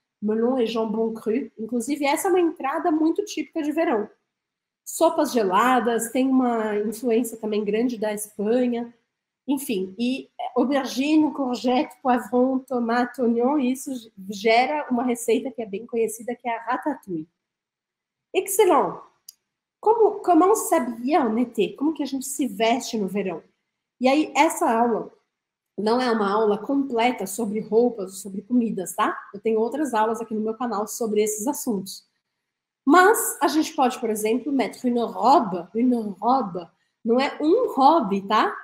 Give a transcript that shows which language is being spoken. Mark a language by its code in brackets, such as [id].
[fr] Melon et jambon cru. [pt] Inclusive, essa é uma entrada muito típica de verão. Sopas geladas, tem uma influência também grande da Espanha. Enfim, e aubergine, courgette, poivron, tomate, oignon, isso gera uma receita que é bem conhecida, que é a ratatouille. [fr] Excellent! Comment s'habiller en été? [pt] Como que a gente se veste no verão? E aí, essa aula não é uma aula completa sobre roupas, sobre comidas, tá? Eu tenho outras aulas aqui no meu canal sobre esses assuntos. Mas a gente pode, por exemplo, [fr] mettre une robe, [pt] não é um hobby, tá?